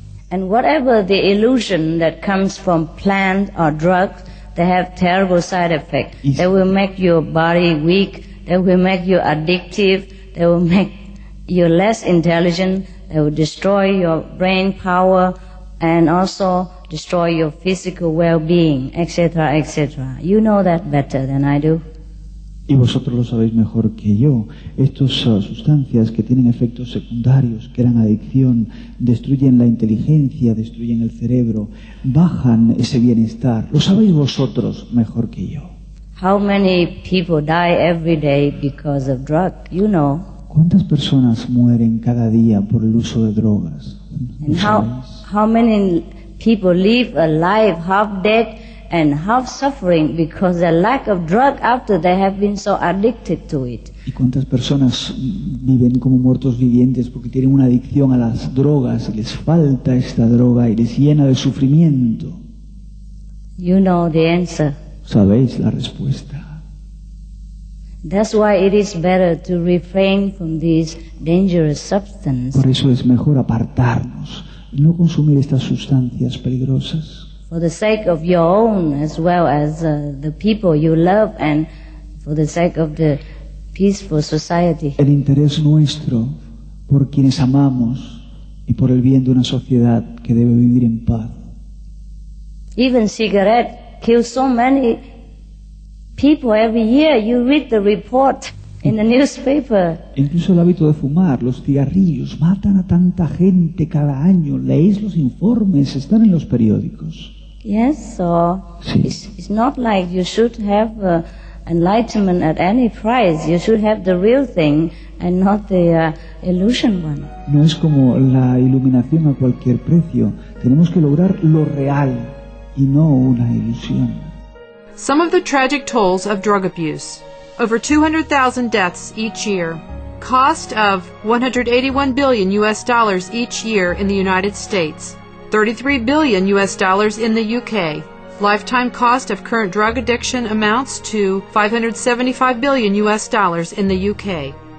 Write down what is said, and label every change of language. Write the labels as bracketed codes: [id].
[en] And whatever the illusion that comes from plant or drug, they have terrible side effects. They will make your body weak, they will make you addictive, they will make you less intelligent, they will destroy your brain power and also destroy your physical well-being, etc., etc. You know that better than I do. [es] Y vosotros lo sabéis mejor que yo. Estas sustancias que tienen efectos secundarios, que eran adicción, destruyen la inteligencia, destruyen el cerebro, bajan ese bienestar. Lo sabéis vosotros mejor que yo. [en] How many people die every day because of drug? You know. [es] ¿Cuántas personas mueren cada día por el uso de drogas? [en] And how many people live a life half dead and half suffering because of the lack of drug after they have been so addicted to it? [es] ¿Y cuántas personas viven como muertos vivientes porque tienen una adicción a las drogas y les falta esta droga y les llena de sufrimiento? [en] You know the answer. [es] Sabéis la respuesta. [en] That's why it is better to refrain from these dangerous substances. [es] Por eso es mejor apartarnos, no consumir estas sustancias peligrosas. [en] For the sake of your own, as well as the people you love, and for the sake of the peaceful society. [es] El interés nuestro por quienes amamos y por el bien de una sociedad que debe vivir en paz. [en] Even cigarette kills so many people every year. You read the report in the newspaper. [es] Incluso el hábito de fumar, los cigarrillos, matan a tanta gente cada año. Leéis los informes, están en los periódicos. [en] Yes, so [es] sí. [en] It's not like you should have enlightenment at any price. You should have the real thing and not the illusion one. [es] No es como la iluminación a cualquier precio. Tenemos que lograr lo real y no una ilusión. [en] Some of the tragic tolls of drug abuse. Over 200,000 deaths each year. Cost of $181 billion each year in the United States. $33 billion in the UK. Lifetime cost of current drug addiction amounts to $575 billion in the UK.